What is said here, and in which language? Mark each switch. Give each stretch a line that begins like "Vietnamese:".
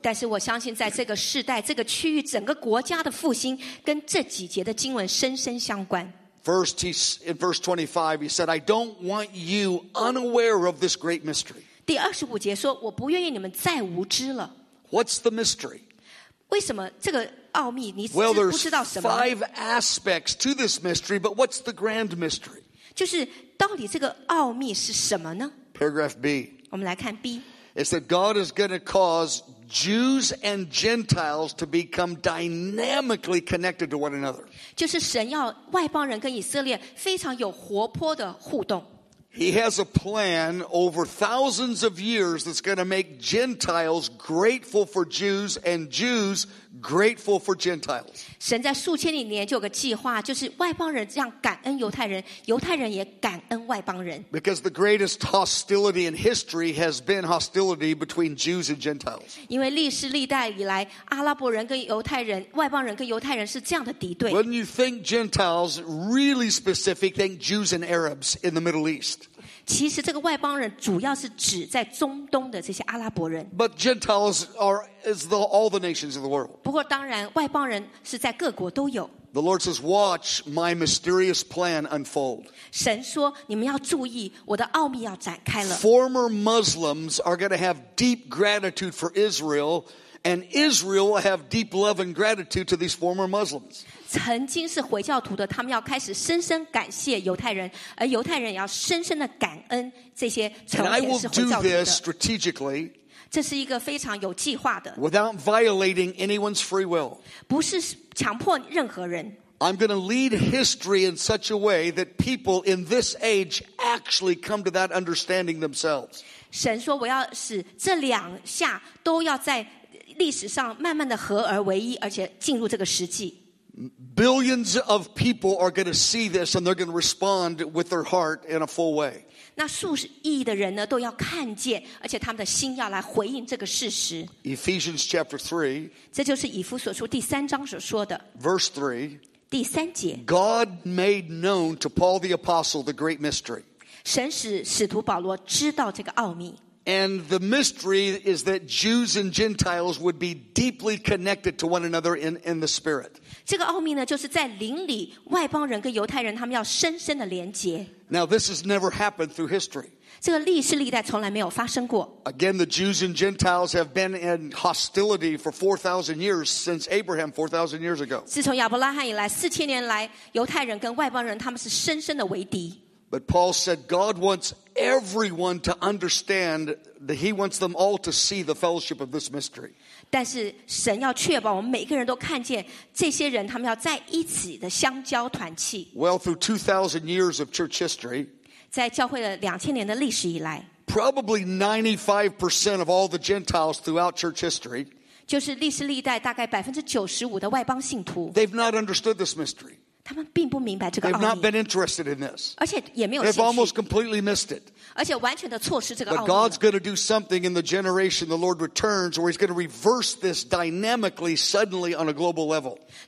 Chinese: 但是我相信在这个世代这个区域整个国家的复兴跟这几节的经文深深相关。
English: First, in verse 25, he said, I don't want you unaware of this great mystery.
Chinese: 第二十五节说，我不愿意你们再无知了。
English: What's the mystery?
Chinese: 为什么这个奥秘你不知道什么？
English: Well, five aspects to this mystery, but what's the grand mystery?
Chinese: 就是到底这个奥秘是什么呢？
English: Paragraph B.
Chinese: 我们来看 B.
English: It's that God is going to cause Jews and Gentiles to become dynamically connected to one another.
Chinese: 就是神要外邦人跟以色列非常有活泼的互动。
English: He has a plan over thousands of years that's going to make Gentiles grateful for Jews and Jews grateful for Gentiles.
Chinese: 神在数千里年就有个计划，就是外邦人这样感恩犹太人，犹太人也感恩外邦人。
English: Because the greatest hostility in history has been hostility between Jews and Gentiles.
Chinese: 因为历史历代以来，阿拉伯人跟犹太人，外邦人跟犹太人是这样的敌对。
English: When you think Gentiles, really specific, think Jews and Arabs in the Middle East.
Chinese: 其实这个外邦人主要是指在中东的这些阿拉伯人。
English: But Gentiles are as though all the nations of the world.
Chinese: 不过当然，外邦人是在各国都有。
English: The Lord says, "Watch my mysterious plan unfold."
Chinese: 神说，你们要注意，我的奥秘要展开了。
English: Former Muslims are going to have deep gratitude for Israel, and Israel will have deep love and gratitude to these former Muslims.
Chinese: 曾经是回教徒的他们要开始深深感谢犹太人而犹太人也要深深的感恩这些曾经是回教徒的
English: And I will do this strategically
Chinese: 这是一个非常有计划的
English: Without violating anyone's free will
Chinese: 不是强迫任何人
English: I'm going to lead history in such a way that people in this age actually come to that understanding themselves.
Chinese: 神说我要使这两下都要在历史上慢慢的合而为一，而且进入这个实际。
English: Billions of people are going to see this and they're going to respond with their heart in a full way.
Chinese: 那数亿的人呢都要看见，而且他们的心要来回应这个事实。
English: Ephesians chapter 3.
Chinese: 这就是以弗所书第三章所说的。
English: Verse 3.
Chinese: 第三节。
English: God made known to Paul the apostle the great mystery.
Chinese: 神使使徒保罗知道这个奥秘。
English: And the mystery is that Jews and Gentiles would be deeply connected to one another in the Spirit.
Chinese: 这个奥秘呢，就是在灵里，外邦人跟犹太人他们要深深的连结。
English: Now this has never happened through history.
Chinese: 这个历史历代从来没有发生过。
English: Again, the Jews and Gentiles have been in hostility for 4,000 years since Abraham 4,000 years ago.
Chinese: 自从亚伯拉罕以来，四千年来，犹太人跟外邦人他们是深深的为敌。
English: But Paul said God wants everyone to understand that he wants them all to see the fellowship of this mystery.
Chinese: 但是神要确保我们每个人都看见这些人他们要在一起的相交团契。
English: Well, through 2,000 years of church history,
Chinese: 在教会的2000年的历史以来,
English: probably 95% of all the Gentiles throughout church history,
Chinese: 就是历史历代大概95%的外邦信徒,
English: they've not understood this mystery. They've not been interested in this. They've almost completely missed it. But God's going to do something in the generation the Lord returns, or He's going to reverse this dynamically, suddenly on a global level.